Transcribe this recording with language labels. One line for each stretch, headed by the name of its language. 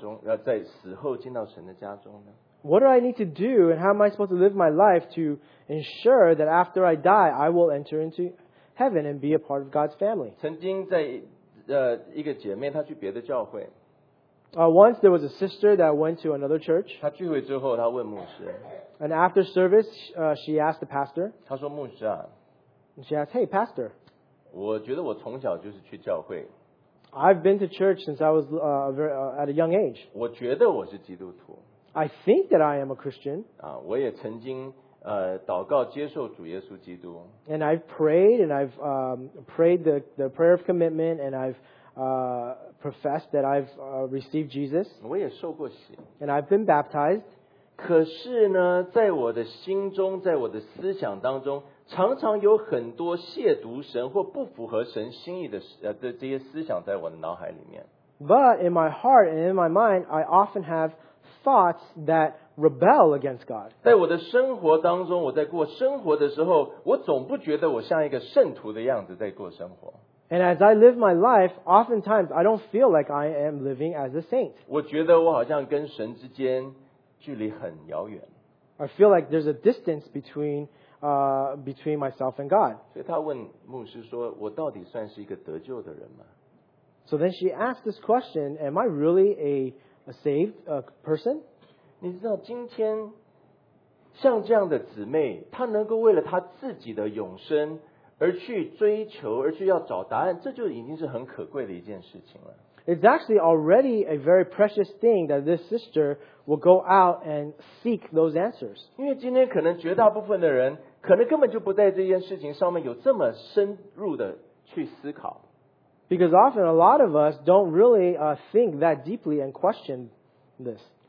Chinese: 我要怎么样子的过我的生活,我才能够确定我能够进到天堂,我能够去在死后进到神的家中呢?
English: What do I need to do and how am I supposed to live my life to ensure that after I die, I will enter into heaven and be a part of God's family?
Chinese: 曾经在一个姐妹她去别的教会,
English: once there was a sister that went to another church.
Chinese: 她聚会之后她问牧师,
English: and after service, she asked the pastor.
Chinese: 她说牧师啊,
English: she asked, hey, pastor.
Chinese: 我觉得我从小就是去教会,
English: I've been to church since I was at a young age.
Chinese: 我觉得我是基督徒,
English: I think that I am a Christian.
Chinese: 我也曾经, 祷告接受主耶稣基督,
English: and I've prayed and I've prayed the prayer of commitment and I've professed that I've received Jesus.
Chinese: 我也受过洗,
English: and I've been baptized.
Chinese: 可是呢, 在我的心中, 在我的思想当中, 常常有很多亵渎神, 或不符合神心意的, 这些思想在我的脑海里面。
English: But in my heart and in my mind, I often have thoughts that rebel against God.
Chinese: 在我的生活当中, 我在过生活的时候, 我总不觉得我像一个圣徒的样子在过生活。
English: And as I live my life, oftentimes I don't feel like I am living as a saint.
Chinese: 我觉得我好像跟神之间,
English: I feel like there's a distance between between myself and God.
Chinese: 所以他问牧师说,我到底算是一个得救的人吗?
English: So then she asked this question, am I really a saved person?
Chinese: 你知道今天像这样的姊妹,她能够为了她自己的永生而去追求,而去要找答案,这就已经是很可贵的一件事情了。
English: It's actually already a very precious thing that this sister will go out and seek those answers. Because often a lot of us don't really think that deeply and question this.